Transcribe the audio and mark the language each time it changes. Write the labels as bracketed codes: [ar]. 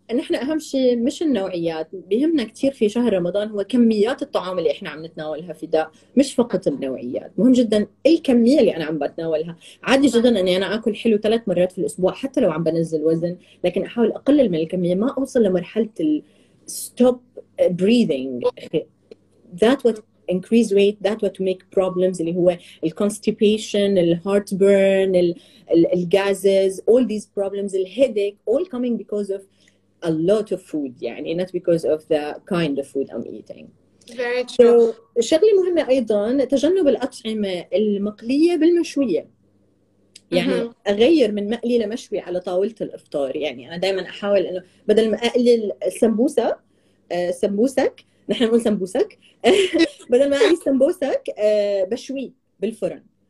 [ar] نحن اهم شيء مش النوعيات، بيهمنا كثير في شهر رمضان هو كميات الطعام اللي احنا عم نتناولها في ده، مش فقط النوعيات، مهم جدا الكميه اللي انا عم بتناولها، عادي جدا اني انا اكل حلو ثلاث مرات في الاسبوع حتى لو عم بنزل وزن، لكن احاول اقلل من الكميه ما اوصل لمرحله ال [en] stop breathing. That what increase weight, that what make problems [ar] اللي هو [en] ال constipation, ال heartburn, ال gases, all these problems, ال headache, all coming because of a lot of food, يعني not because of the kind of food I'm eating. Very true. [ar] So, الشغلة المهمة أيضا تجنب الأطعمة المقلية بالمشوية. يعني أغير من مقلي لمشوي على طاولة الإفطار. يعني أنا دائما أحاول إنه بدل ما أقلي السمبوسة سمبوسك نحن نقول سمبوسك بدل ما أقلي السمبوسك بشوي بالفرن.